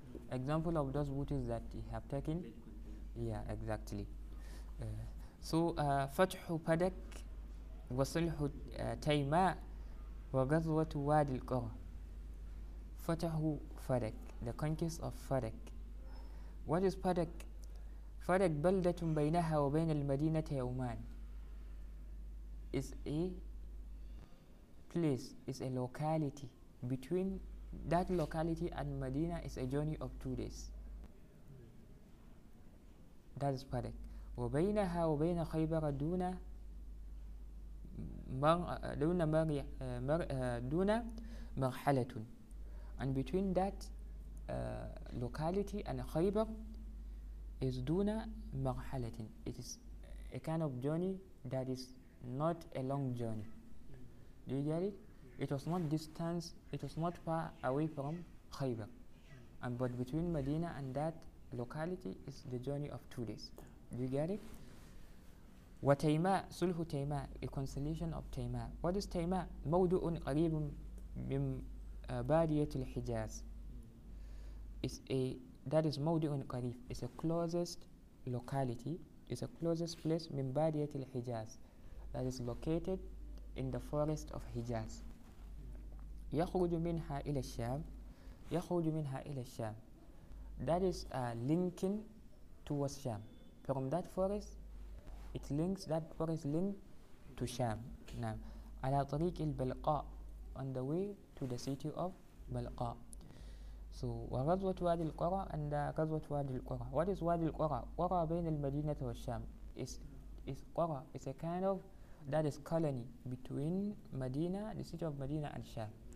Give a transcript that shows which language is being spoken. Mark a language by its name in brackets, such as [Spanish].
[English] Example of those booties that they have taken? Yeah, exactly. [Arabic] So, فتح بدك وصلح تيماء وغزوة وادي القرى. فتح فدك, [English] the conquest of فدك. What is فدك? [Arabic] فدك بلدة بينها وبين المدينة يومان. [English] Is a place, is a locality. Between that locality and Medina is a journey of 2 days. That is فدك. [Arabic] وبينها وبين خيبر دون مرحلة. [English] And between that locality and Khaybar is [Arabic] دون مرحلة. [English] It is a kind of journey that is not a long journey. Do you get it? It was not distance, it was not far away from Khaybar. And but between Medina and that locality is the journey of 2 days. Do you get it? [Arabic] وتيماء, سلح تيماء, [English] a consolation of [Arabic] تيماء. [English] What is تيماء? [Arabic] موضع قريب من بادية الحجاز. [English] That is [Arabic] موضع قريب. [English] It's a closest locality. It's a closest place [Arabic] من بادية الحجاز. [English] That is located in the forest of Hijaz. [Arabic] يخرج منها إلى الشام. يخرج منها إلى الشام. [English] That is linking towards Sham. From that forest, it links, that forest link to Sham. [Arabic] نعم. على طريق البلقاء, [English] on the way to the city of بلقاء. [Arabic] So, وغزوة وادي القرى, and غزوة وادي القرى. [English] What is [Arabic] وادي القرى? قرى بين المدينة والشام. [English] It's قرى, it's a kind of, that is colony between Medina, the city of Medina and Sham.